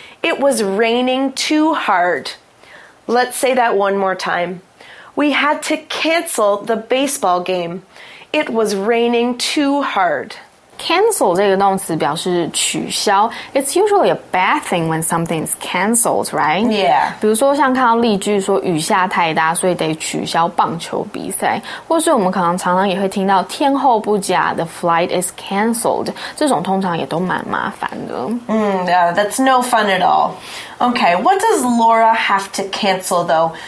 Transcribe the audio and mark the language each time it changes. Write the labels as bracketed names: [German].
[English] It was raining too hard. Let's say that one more time. We had to cancel the baseball game. It was raining too hard. [Chinese] Cancel 这个动词表示取消。 [English] It's usually a bad thing when something's cancelled, right? Yeah. [Chinese] 比如说像看到例句说雨下太大所以得取消棒球比赛。或是我们可能常常也会听到天后不佳 [English] the flight is cancelled. [Chinese] 这种通常也都蛮麻烦的。 [English] That's no fun at all. Okay, what does Laura have to cancel, though?